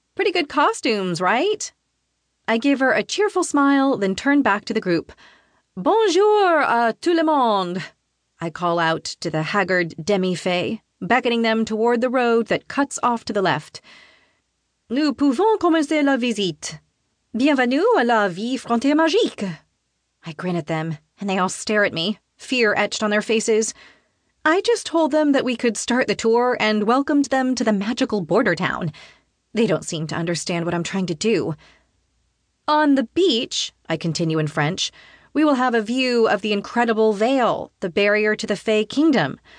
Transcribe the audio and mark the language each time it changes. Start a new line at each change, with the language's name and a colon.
English: Pretty good costumes, right?" I give her a cheerful smile, then turn back to the group. "Bonjour à tout le monde," I call out to the haggard demi-fae, beckoning them toward the road that cuts off to the left.
French: "Nous pouvons commencer la visite. Bienvenue à la vie frontière magique."
English: I grin at them, and they all stare at me, fear etched on their faces. I just told them that we could start the tour and welcomed them to the magical border town. They don't seem to understand what I'm trying to do. "On the beach," I continue in French, "we will have a view of the incredible veil, the barrier to the Fae Kingdom.